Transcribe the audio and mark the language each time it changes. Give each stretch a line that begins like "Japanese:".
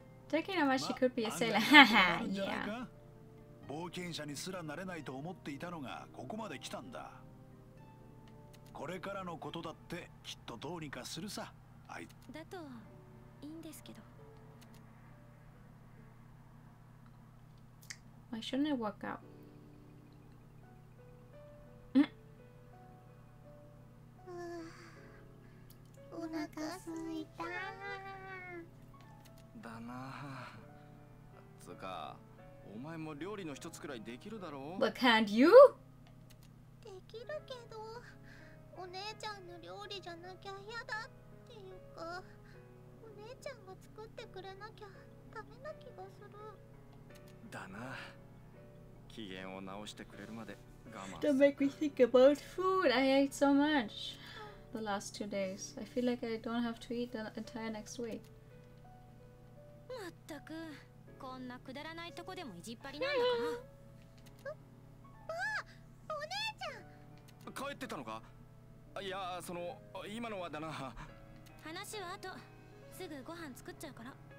English: Talking about she could be a sailor, yeah.
Japanese: 冒険者にすらなれないと思っていたのがここまで来たんだ。これからのことだってきっとどうにかするさ。あい。だといいんですけど。
English: Why shouldn't it work out?
Japanese: お腹すいた。だなぁ。つか、お前も料理の一つくらいできるだろう。
English: But can't you?
Japanese: できるけど、お姉ちゃんの料理じゃなきゃ嫌だっていうか、お姉ちゃんが作ってくれなきゃダメな気がする。だな。機嫌を直してくれるまで我慢。
English: Don't make me think about food. I ate so much the last 2 days. I feel like I don't have to eat the entire next week.
Japanese: まったく、こんなくだらないとこでもいじっぱりなんだから。あ、お姉ちゃん。帰ってたのか？いや、その、今のはだな。話は後、すぐご飯作っちゃうから。